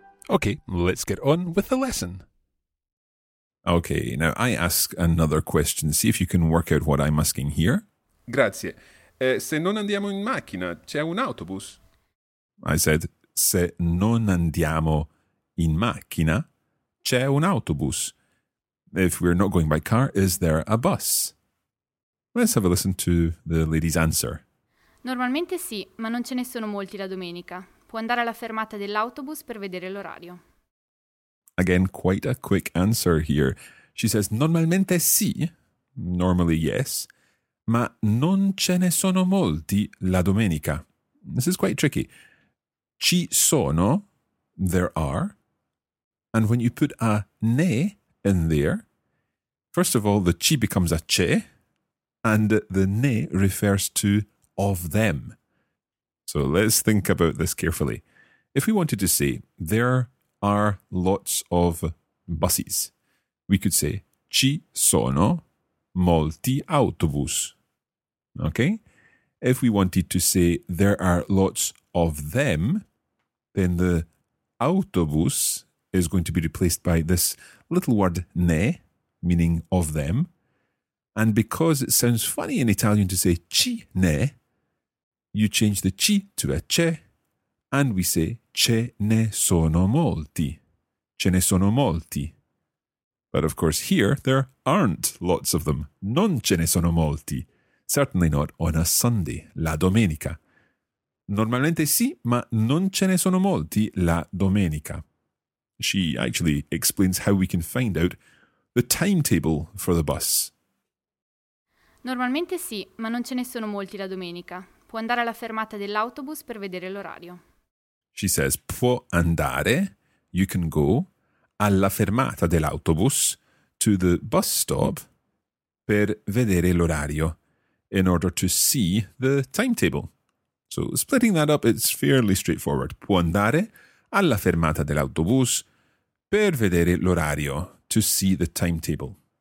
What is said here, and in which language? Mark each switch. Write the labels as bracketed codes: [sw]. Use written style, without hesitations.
[en] Okay, let's get on with the lesson. Okay, now I ask another question. See if you can work out what I'm asking here. [it] Grazie. Se non andiamo in macchina, c'è un autobus? [en] I said, [it] se non andiamo in macchina, c'è un autobus. [en] If we're not going by car, is there a bus? Let's have a listen to the lady's answer. [it] Normalmente sì, ma non ce ne sono molti la domenica. Può andare alla fermata dell'autobus per vedere l'orario. [en] Again, quite a quick answer here. She says, [it] normalmente sì, [en] normally yes, [it] ma non ce ne sono molti la domenica. [en] This is quite tricky. [it] Ci sono, [en] there are, and when you put a ne in there, first of all, the ci becomes a ce, and the ne refers to of them. So let's think about this carefully. If we wanted to say, there are lots of buses, we could say, [it] ci sono molti autobus. [en] Okay? If we wanted to say, there are lots of them, then the autobus is going to be replaced by this little word, ne, meaning of them. And because it sounds funny in Italian to say, [it] ci ne, [en] you change the ci to a ce, and we say, [it] ce ne sono molti. [en] Ce ne sono molti. But of course here, there aren't lots of them. [it] Non ce ne sono molti. [en] Certainly not on a Sunday, [it] la domenica. Normalmente sì, ma non ce ne sono molti la domenica. [en] She actually explains how we can find out the timetable for the bus. [it] Normalmente sì, ma non ce ne sono molti la domenica. Può andare alla fermata dell'autobus per vedere l'orario. [en] She says, [it] può andare, [en] you can go, [it] alla fermata dell'autobus, [en] to the bus stop, [it] per vedere l'orario, [en] in order to see the timetable. So splitting that up, it's fairly straightforward. [it] Può andare alla fermata dell'autobus per vedere l'orario, [en] to see the timetable.